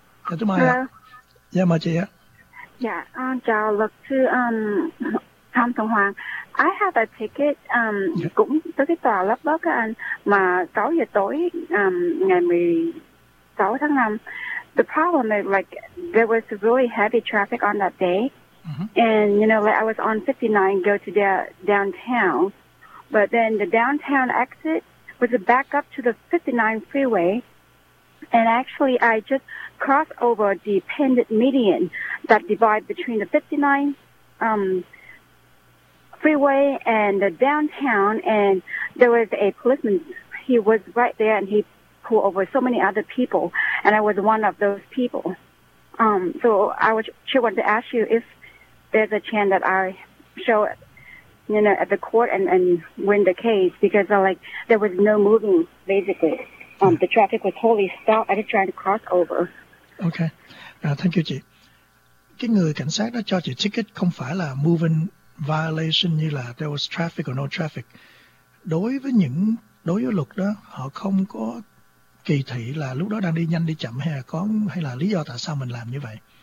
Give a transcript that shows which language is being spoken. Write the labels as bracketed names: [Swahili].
[Vietnamese] Dạ, tôi mời ạ. Dạ, mời chị ạ. Dạ, chào luật sư Tham Thông Hoàng. [English] I have a ticket, [Vietnamese] cũng tới cái tòa lắp bớt các anh, mà 6 giờ tối ngày 16 tháng 5. [English] The problem is, like, there was really heavy traffic on that day. Mm-hmm. And, you know, like, I was on 59 go to the downtown. But then the downtown exit was back up to the 59 freeway. And actually, I just crossed over the pendant median that divide between the 59 freeway and the downtown, and there was a policeman. He was right there, and he pulled over so many other people, and I was one of those people. So I would sure want to ask you if there's a chance that I show you know, at the court and win the case because like there was no moving basically. The traffic was totally stopped. I just tried to cross over. Okay. Thank you, chị. [Vietnamese] Cái người cảnh sát đó cho chị ticket không phải là moving violation như là [English] there was traffic or no traffic. [Vietnamese] Đối với những đối với luật đó, họ không có kỳ thị là lúc đó đang đi nhanh đi chậm hay là có hay là lý do tại sao mình làm như vậy.